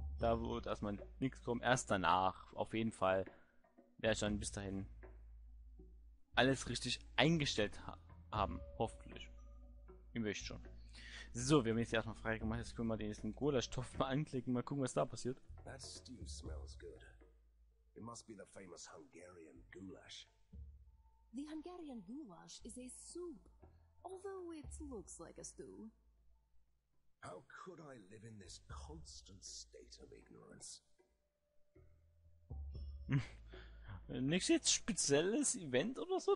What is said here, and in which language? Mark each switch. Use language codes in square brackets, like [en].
[de] Da wird erstmal nichts kommen. Erst danach, auf jeden Fall, werde ich dann bis dahin alles richtig eingestellt haben. Hoffentlich. Ich möchte schon. So, wir haben jetzt erstmal frei gemacht. Jetzt können wir den nächsten Gulaschtopf mal anklicken. Mal gucken, was da passiert. [en] That stew smells good. It must be the famous Hungarian goulash. The Hungarian goulash is a soup. Although it looks like a stew. How could I live in this constant state of ignorance? [de] Nichts jetzt spezielles Event oder so?